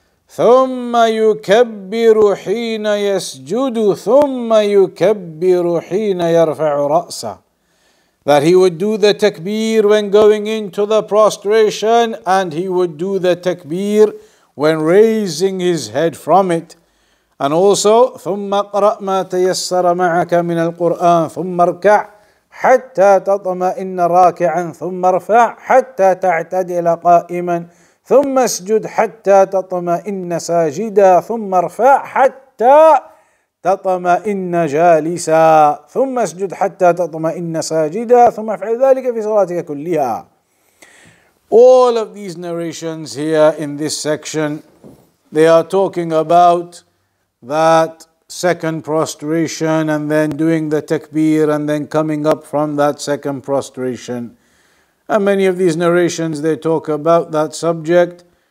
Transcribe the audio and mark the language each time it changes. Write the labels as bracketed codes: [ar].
[ar] ثُمَّ يُكَبِّرُ حِينَ يَسْجُدُ ثُمَّ يُكَبِّرُ حِينَ يَرْفَعُ رَأْسَهُ. [en] That he would do the takbir when going into the prostration, and he would do the takbir when raising his head from it. And also, [ar] ثُمَّ قَرَأْ مَا تَيَسَّرَ مَعَكَ مِنَ الْقُرْآنِ ثُمَّ ارْكَعْ حَتَّى تَطْمَئِنَّ رَاكِعًا ثُمَّ ارْفَعْ حَتَّى تَعْتَدِلَ قَائِمًا ثم اسجد حتى تطمئن ساجدا ثم ارفع حتى تطمئن جالسا ثم اسجد حتى تطمئن ساجدا ثم افعل ذلك في صلاتك كلها. [en] All of these narrations here in this section, they are talking about that second prostration and then doing the takbir and then coming up from that second prostration. And many of these narrations, they talk about that subject.